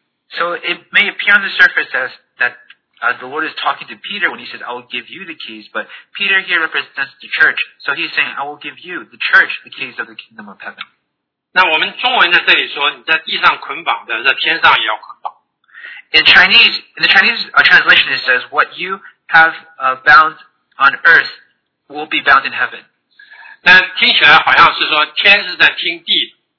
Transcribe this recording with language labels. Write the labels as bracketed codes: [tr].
[en] So it may appear on the surface as that, the Lord is talking to Peter when he says, I will give you the keys, but Peter here represents the church, so he's saying, I will give you, the church, the keys of the kingdom of heaven. [zh] 那我们中文在这里说，你在地上捆绑的，在天上也要捆绑。 [en] In the Chinese translation, it says, what you have bound on earth will be bound in heaven. [zh] 那听起来好像是说天是在听地。